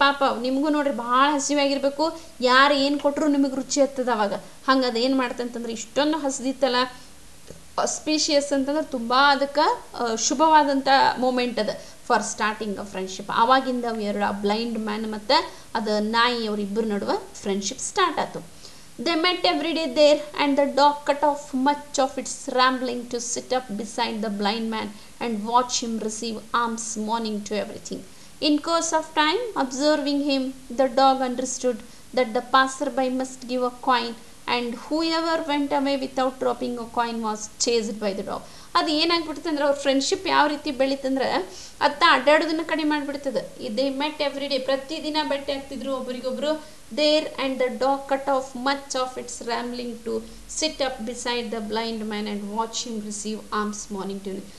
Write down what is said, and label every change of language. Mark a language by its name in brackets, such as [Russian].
[Kannada] ಪಾಪ ನಿಮಗೂ ನೋಡ್ರಿ ಭಾಳ ಹಸಿವಾಗಿರ್ಬೇಕು, ಯಾರು ಏನು ಕೊಟ್ಟರು ನಿಮಗೆ ರುಚಿ ಹತ್ತದ ಅವಾಗ. ಹಂಗೆ ಅದೇನು ಮಾಡ್ತಂತಂದ್ರೆ ಇಷ್ಟೊಂದು ಹಸಿದಿತ್ತಲ್ಲ, ಆಸ್ಪಿಷಿಯಸ್ ಅಂತಂದ್ರೆ ತುಂಬ ಅದಕ್ಕೆ ಶುಭವಾದಂಥ ಮೂಮೆಂಟ್ ಅದು [English] For starting a friendship. [Kannada] ಆವಾಗಿಂದ ಅವು ಎರಡು ಆ ಬ್ಲೈಂಡ್ ಮ್ಯಾನ್ ಮತ್ತು ಅದು ನಾಯಿ ಅವರಿಬ್ಬರ ನಡುವೆ ಫ್ರೆಂಡ್ಶಿಪ್ ಸ್ಟಾರ್ಟ್ ಆಯಿತು. [English] They met every day there, and the dog cut off much of its rambling to sit up beside the blind man and watch him receive alms morning to everything. In course of time, observing him, the dog understood that the passerby must give a coin, and whoever went away without dropping a coin was chased by the dog. [Kannada] ಅದು ಏನಾಗ್ಬಿಡುತ್ತೆ ಅಂದ್ರೆ ಅವ್ರ friendship ಯಾವ ರೀತಿ ಬೆಳೀತಂದ್ರೆ ಅತ್ತ ಅಡ್ಡಾಡೋದನ್ನ ಕಡಿಮೆ ಮಾಡ್ಬಿಡ್ತದೆ. [English] they met every day, [Kannada] ಪ್ರತಿ ದಿನ ಭೇಟಿ ಆಗ್ತಿದ್ರು ಒಬ್ಬರಿಗೊಬ್ರು. [English] There and the dog cut off much of its rambling to sit up beside the blind man and watch him receive arms morning to.